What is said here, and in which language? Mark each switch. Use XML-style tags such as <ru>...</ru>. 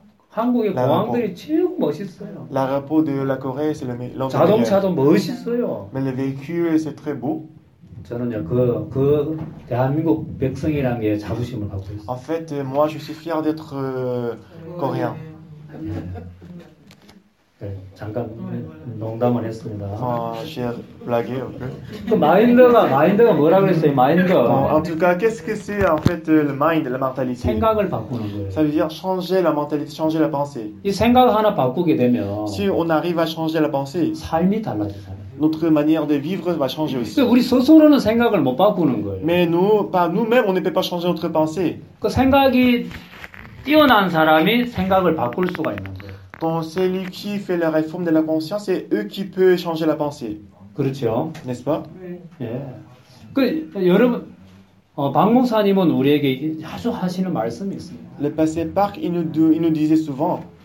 <ko>한국의 공항들이 최고 멋있어요.</ko> <fr>L'aéroport de la Corée, c'est le meilleur.</fr> <ko>자동차도 멋있어요.</ko> <fr>Mais le véhicule, c'est très beau.</fr> <ko>저는요, 그 대한민국 백성이라는 게 자부심을 갖고 있어요.</ko> <fr>En fait, moi, je suis fier d'être coréen.</fr> <ko>잠깐 농담을 했습니다.</ko> <fr>J'ai blagué un peu.</fr> <ko>그 마인드가 뭐라고 했어요, 마인드.</ko> <fr>En tout cas, qu'est-ce que c'est en fait le mind, la mentalité?</fr> <ko>생각을 바꾸는 거예요.</ko> <fr>Ça veut dire changer la mentalité, changer la pensée.</fr> <ko>이 생각 하나 바꾸게 되면,</ko> <fr>si on arrive à changer la pensée,</fr> <ko>삶이 달라져요.</ko> <fr>Notre manière de vivre va changer aussi.</fr> <ko>근데 우리 스스로는 생각을 못 바꾸는 거예요.</ko> <fr>Mais nous, par nous-mêmes, on ne peut pas changer notre pensée.</fr> <ko>그 생각이 뛰어난 사람이 생각을 바꿀 수가 있는 거예요.</ko> <fr>Donc celui qui fait la réforme de la conscience, c'est eux qui peuvent changer la pensée.</fr> <ko>그렇죠.</ko> <fr>N'est-ce pas?</fr> <ko>예. 그 여러분, 박목사님은 우리에게 자주 하시는 말씀이 있습니다.</ko> <fr>Le passé Park, il nous disait souvent.</fr>